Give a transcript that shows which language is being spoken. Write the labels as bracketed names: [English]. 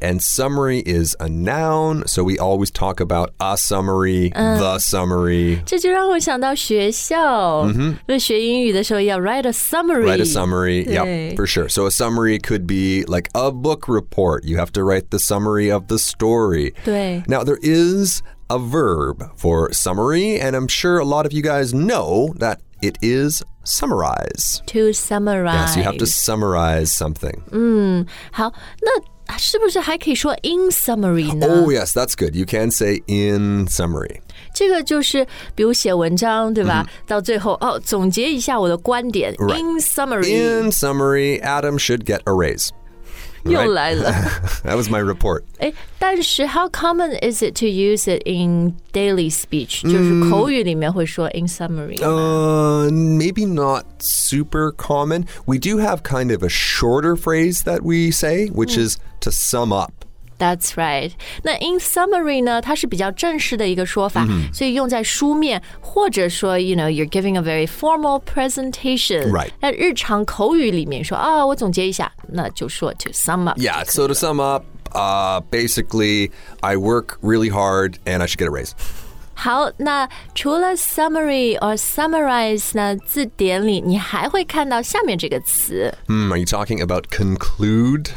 [English] And summary is a noun, so we always talk about a summary, the summary. [Chinese] 这就让我想到学校。学英语的时候要 [English] write a summary. Write a summary, yep, for sure. So a summary could be like a book report. You have to write the summary of the story. [Chinese] 对。 [English] Now, there is a verb for summary, and I'm sure a lot of you guys know that it is summarize. To summarize. Yes, you have to summarize something. [Chinese] 好，那是不是还可以说 [English] in summary [Chinese] 呢？ [English] Oh yes, that's good. You can say in summary. [Chinese] 这个就是比如写文章，对吧？到最后，总结一下我的观点。 [English] Right. In summary. In summary, Adam should get a raise. Right? [Chinese] 又来了 [English] That was my report. [Chinese] 但是 [English] how common is it to use it in daily speech? [Chinese] 就是口语里面会说 [English] in summary. Maybe not super common. We do have kind of a shorter phrase that we say, which is to sum up. That's right. [Chinese] 那 [English] in summary [Chinese] 呢，它是比较正式的一个说法，所以用在书面，或者说 [English] you know, you're giving a very formal presentation. Right. [Chinese] 那日常口语里面说，我总结一下。那就说 [English] to sum up. Yeah, so to sum up, basically, I work really hard and I should get a raise. [Chinese] 好，那除了 [English] summary or summarize [Chinese] 呢，字典里你还会看到下面这个词。 [English] Are you talking about conclude?